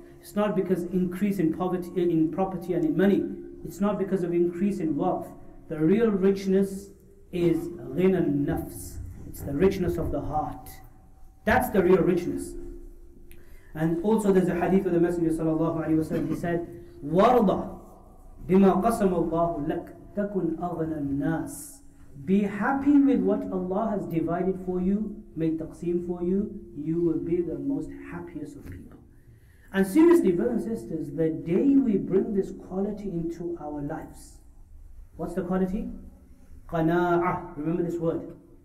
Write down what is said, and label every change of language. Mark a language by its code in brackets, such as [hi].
[en] It's not because increase in poverty, in property and in money. It's not because of increase in wealth. The real richness is [ar] غِنَى النَّفْسِ. [en] It's the richness of the heart. That's the real richness. And also there's a hadith of the Messenger sallallahu alayhi wa sallam. He said, [ar] وَرْضَى بِمَا قَسَمَ اللَّهُ لَكَ تَكُنْ أَغْنَى النَّاسِ. [en] Be happy with what Allah has divided for you, made taqseem for you, you will be the most happiest of people. And seriously, brothers and sisters, the day we bring this quality into our lives, what's the quality? قَنَاعَةً. Remember this word.